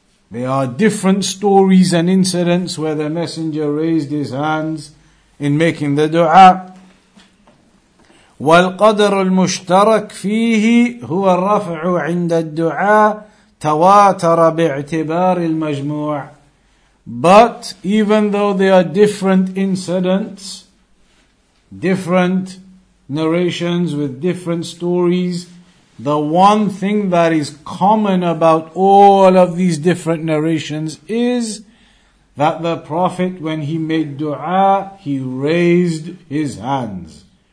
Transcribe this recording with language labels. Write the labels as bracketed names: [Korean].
[English] They are different stories and incidents where the messenger raised his hands in making the dua. [Arabic] والقدر المشترك فيه هو الرفع عند الدعاء تواتر باعتبار المجموع. [English] But even though they are different incidents, different narrations with different stories, the one thing that is common about all of these different narrations is that the Prophet, when he made dua, he raised his hands.